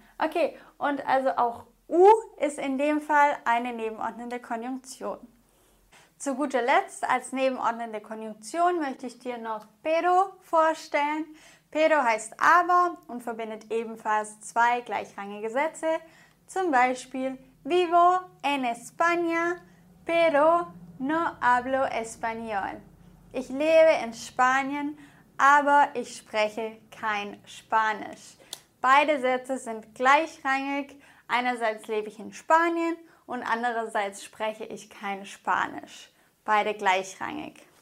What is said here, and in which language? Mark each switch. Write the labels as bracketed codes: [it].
[de] Okay, und also auch u ist in dem Fall eine nebenordnende Konjunktion. Zu guter Letzt, als nebenordnende Konjunktion möchte ich dir noch pero vorstellen. Pero heißt aber und verbindet ebenfalls zwei gleichrangige Sätze. Zum Beispiel, [es] vivo en España, pero no hablo español. [de] Ich lebe in Spanien, aber ich spreche kein Spanisch. Beide Sätze sind gleichrangig. Einerseits lebe ich in Spanien und andererseits spreche ich kein Spanisch. Beide gleichrangig.